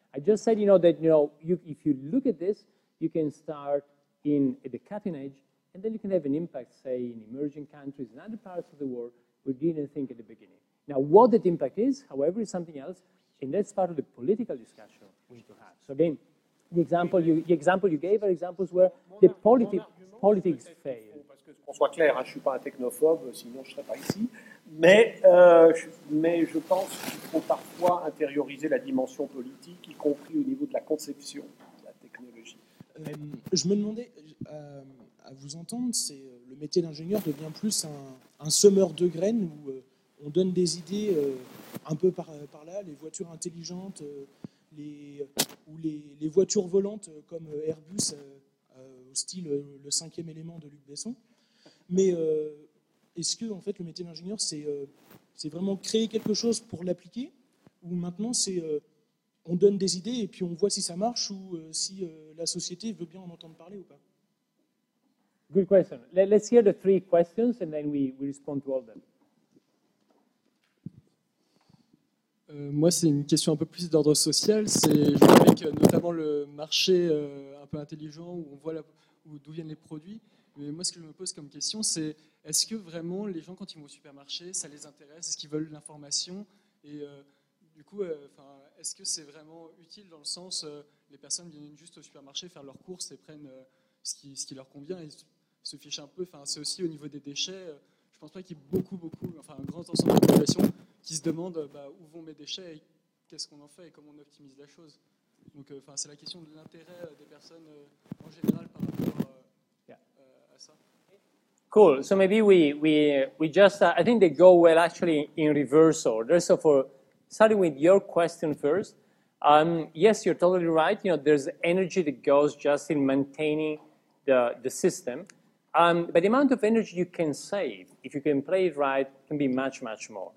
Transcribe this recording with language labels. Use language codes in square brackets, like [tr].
[en] I just said, if you look at this, you can start at the cutting edge, and then you can have an impact, say, in emerging countries and other parts of the world we didn't think at the beginning. Now, what that impact is, however, is something else, and that's part of the political discussion we need to have. So again, the example you gave are examples where the politics fail. [fr] Parce que, qu'on soit clair, je suis pas un technophobe, sinon je serais pas ici. Mais je pense qu'il faut parfois intérioriser la dimension politique, y compris au niveau de la conception de la technologie. Je me demandais, à vous entendre, c'est le métier d'ingénieur devient plus un semeur de graines où on donne des idées un peu par là, les voitures intelligentes, les voitures volantes comme Airbus, au style le cinquième élément de Luc Besson. Mais est-ce que en fait le métier d'ingénieur c'est vraiment créer quelque chose pour l'appliquer, ou maintenant c'est on donne des idées et puis on voit si ça marche ou si la société veut bien en entendre parler ou pas? [en] Good question. Let's hear the three questions and then we respond to all of them. [fr] Moi, c'est une question un peu plus d'ordre social. C'est avec notamment le marché un peu intelligent où on voit d'où viennent les produits. Mais moi, ce que je me pose comme question, c'est est-ce que vraiment les gens, quand ils vont au supermarché, ça les intéresse? Est-ce qu'ils veulent de l'information? Et du coup, est-ce que c'est vraiment utile dans le sens les personnes viennent juste au supermarché faire leurs courses et prennent ce qui leur convient et se fichent un peu? Enfin, c'est aussi au niveau des déchets. Je ne pense pas qu'il y ait un grand ensemble de populations qui se demandent où vont mes déchets et qu'est-ce qu'on en fait et comment on optimise la chose. Donc, c'est la question de l'intérêt des personnes en général par rapport à ça. [en] Cool. So maybe we just I think they go well actually in reverse order. So for starting with your question first, yes, you're totally right. You know, there's energy that goes just in maintaining the system, but the amount of energy you can save if you can play it right can be much, much more.